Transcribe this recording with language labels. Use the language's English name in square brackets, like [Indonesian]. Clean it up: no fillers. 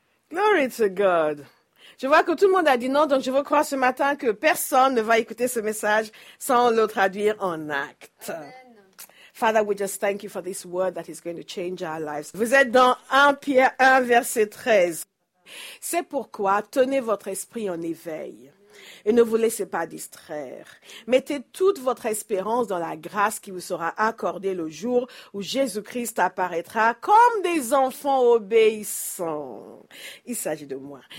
[English] Glory to God. [French] Je vois que tout le monde a dit non, donc je veux croire ce matin que personne ne va écouter ce message sans le traduire en acte. Amen. [English] Father, we just thank you for this word that is going to change our lives. [French] Vous êtes dans 1 Pierre 1, verset 13. C'est pourquoi tenez votre esprit en éveil et ne vous laissez pas distraire. Mettez toute votre espérance dans la grâce qui vous sera accordée le jour où Jésus-Christ apparaîtra comme des enfants obéissants. Il s'agit de moi.